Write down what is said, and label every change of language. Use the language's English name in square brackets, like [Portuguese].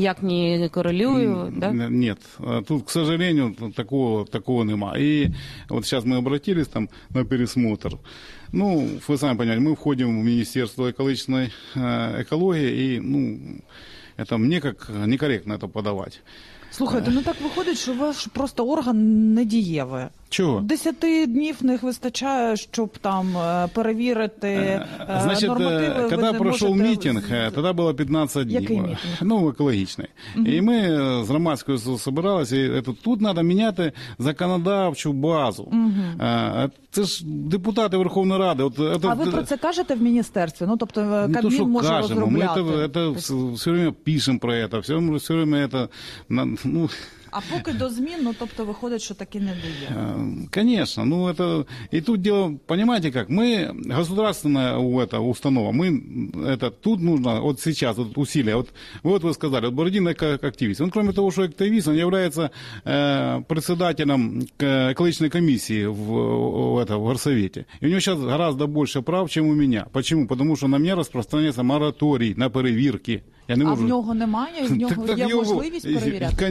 [Russian] Никак не коррелирует, да? Нет. Тут, к сожалению, такого нема. И вот сейчас мы обратились там на пересмотр. Ну, вы сами понимаете, мы входим в Министерство экологичной экологии, и, ну, это мне как некорректно это подавать. [Ukrainian] Слухайте, ну так виходить, що ваш просто орган недієвий. Чого? 10 днів в них вистачає, щоб там перевірити значить, нормативи. Значить, коли пройшов мітинг, тоді було 15 днів. Який мітинг? Ну, екологічний. Угу. І ми з громадською збиралися, і тут треба міняти законодавчу базу. Угу. Це ж депутати Верховної Ради. А ви про це кажете в міністерстві? Ну, тобто Кабмін може кажемо. Розробляти. Ми це [Russian] все время [Ukrainian] пишемо про це, все время це... Ну, а поки до змін, ну, тобто, виходить, що таки не дає. [Russian] Конечно, ну, это, и тут дело, понимаете как, мы, государственная это, установа, мы, это, тут нужно, вот сейчас, вот усилия, вот вы сказали, вот Бородин активист, он, кроме того, что активист, он является председателем экологичной комиссии в горсовете, и у него сейчас гораздо больше прав, чем у меня. Почему? Потому что на меня распространяется мораторий на [Ukrainian] перевірки. А в нього немає, в нього так, є його, можливість перевіряти?